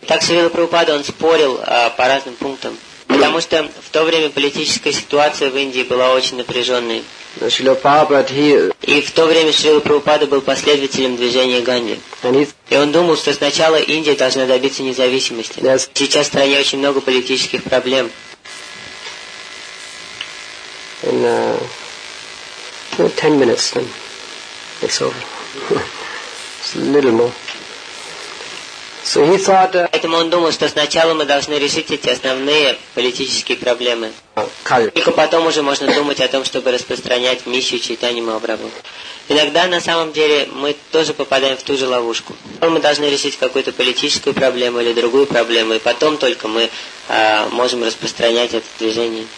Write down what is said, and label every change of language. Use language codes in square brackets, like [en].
[ru] Так Шрила Прабхупада, он спорил по разным пунктам. Потому что в то время политическая ситуация в Индии была очень напряженной. [en] Shri Prabhupada, he... [ru] И в то время Шрила Прабхупада был последователем движения Ганди. И он думал, что сначала Индия должна добиться независимости. [en] Yes. [ru] Сейчас в стране очень много политических проблем. [en] And, 10 minutes, then it's over. It's a little more. So he thought, [ru] поэтому он думал, что сначала мы должны решить эти основные политические проблемы. Только потом уже можно думать о том, чтобы распространять миссию Чайтани Махапрабху. Иногда на самом деле мы тоже попадаем в ту же ловушку. Мы должны решить какую-то политическую проблему или другую проблему, и потом только мы можем распространять это движение.